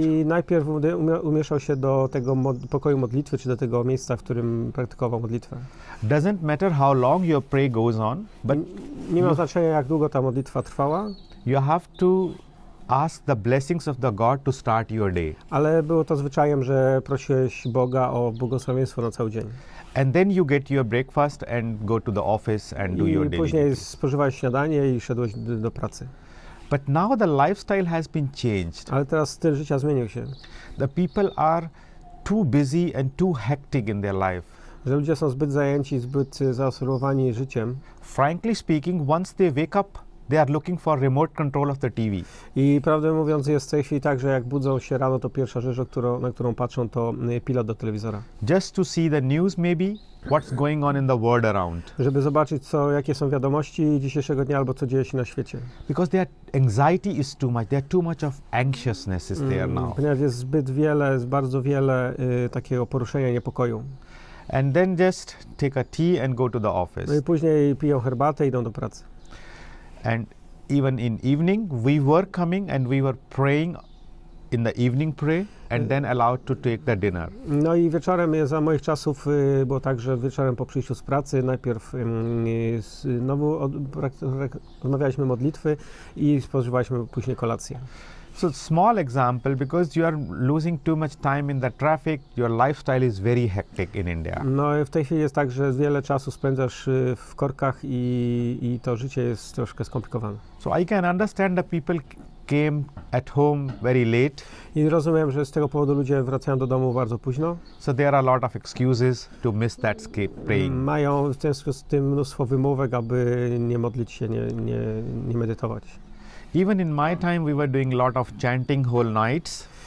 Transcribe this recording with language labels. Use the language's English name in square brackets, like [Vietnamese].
[Polish] I najpierw umieszczał się do tego pokoju modlitwy, czy do tego miejsca, w którym praktykował modlitwę. [English] Doesn't matter how long your prayer goes on, but [Polish] nie ma znaczenia, jak długo ta modlitwa trwała. [English] You have to ask the blessings of the God to start your day. [Polish] Ale było to zwyczajem, że prosiłeś Boga o błogosławieństwo na cały dzień. [English] And then you get your breakfast and go to the office and do your daily. [Polish] I później spożywałeś śniadanie i szedłeś do pracy. [English] But now the lifestyle has been changed. [Polish] Ale teraz styl życia zmienił się. [English] The people are too busy and too hectic in their life. [Polish] Że ludzie są zbyt zajęci, zbyt zaosurowani życiem. [English] Frankly speaking, once they wake up, they are looking for remote control of the TV. [Polish] I prawdę mówiąc, jest w tej chwili tak, że jak budzą się rano, to pierwsza rzecz, na którą patrzą, to pilot do telewizora. [English] Just to see the news maybe, what's going on in the world around. [Polish] Żeby zobaczyć, jakie są wiadomości dzisiejszego dnia, albo co dzieje się na świecie. [English] Because their anxiety is too much, there too much of anxiousness is there now. [Polish] Ponieważ jest zbyt wiele, jest bardzo wiele takiego poruszenia, niepokoju. [English] And then just take a tea and go to the office. [Polish] No i później piją herbatę, idą do pracy. [English] And even in evening, we were coming and we were praying in the evening prayer and then allowed to take the dinner. [Polish] No i wieczorem, za moich czasów było tak, że wieczorem po przyjściu z pracy najpierw znowu odmawialiśmy modlitwy i spożywaliśmy później kolację. [English] So small example, because you are losing too much time in the traffic, your lifestyle is very hectic in India. [Polish] No w tej chwili jest tak, że wiele czasu spędzasz w korkach i to życie jest troszkę skomplikowane. [English] So I can understand that people came at home very late. [Polish] I rozumiem, że z tego powodu ludzie wracają do domu bardzo późno. [English] So there are a lot of excuses to miss that skip praying. [Polish] Mają w związku z tym mnóstwo wymówek, aby nie modlić się, nie medytować. [English] Even in my time, we were doing a lot of chanting whole nights.